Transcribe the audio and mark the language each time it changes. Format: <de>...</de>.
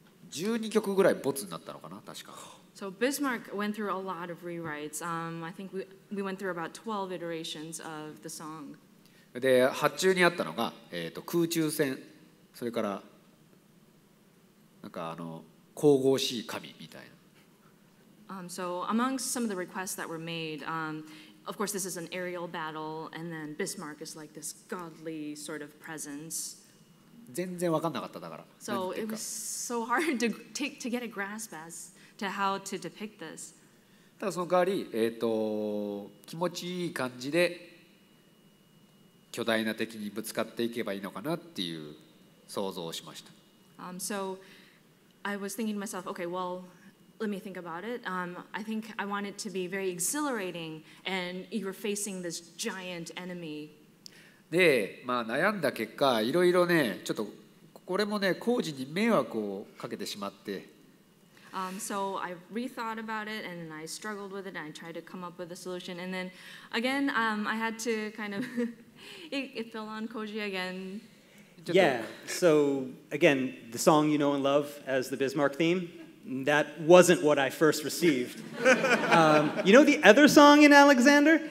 <ja>12曲ぐらいボツになったのかな、確か。</ja> <en>So Bismarck went through a lot of rewrites. I think we went through about 12 iterations of the song.</en> <ja>で、発注にあったのが、空中戦、それからなんか神々しい神みたいな。</ja> <en>So amongst some of the requests that were made, of course this is an aerial battle, and then Bismarck is like this godly sort of presence.</en> <ja>全然分かんなかっただから。</ja> <en>So it was so hard to take to get a grasp as to how to depict this.</en> <ja>ただその代わり、気持ちいい感じで巨大な敵にぶつかっていけばいいのかなっていう想像をしました。</ja> <en>So I was thinking to myself, okay, well. Let me think about it. I think I want it to be very exhilarating, and you're facing this giant enemy.</en> <ja>で、まあ悩んだ結果、いろいろね、ちょっとこれもね、コージに迷惑をかけてしまって。</ja> <en>So I rethought about it, and I struggled with it, and I tried to come up with a solution. And then again, I had to kind of it fell on Koji again. Yeah. So again, the song you know and love as the Bismarck theme. That wasn't what I first received. You know the other song in Alexander?</en>